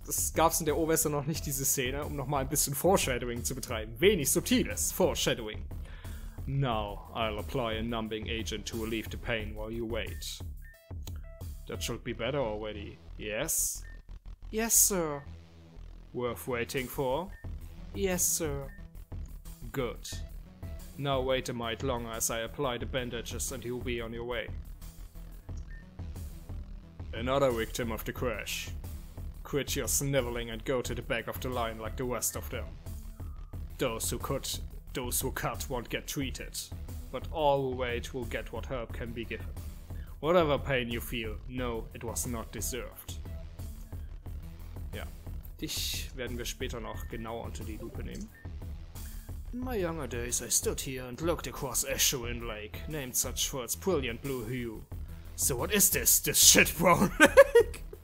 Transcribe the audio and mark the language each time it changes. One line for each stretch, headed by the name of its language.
German: Das gab's in der O-Version noch nicht, diese Szene, um nochmal ein bisschen Foreshadowing zu betreiben. Wenig subtiles Foreshadowing.
English: Now I'll apply a numbing agent to relieve the pain while you wait. That should be better already, yes? Yes, sir. Worth waiting for? Yes, sir. Good. Now wait a mite longer as I apply the bandages and you'll be on your way. Another victim of the crash. Quit your sniveling and go to the back of the line like the rest of them. Those who cut won't get treated, but all who wait will get what help can be given. Whatever pain you feel, know it was not deserved.
German: Ja, dich werden wir später noch genauer unter die Lupe nehmen.
English: In my younger days, I stood here and looked across Eschewin Lake, named such for its brilliant blue hue. So what is this? This shit brown lake?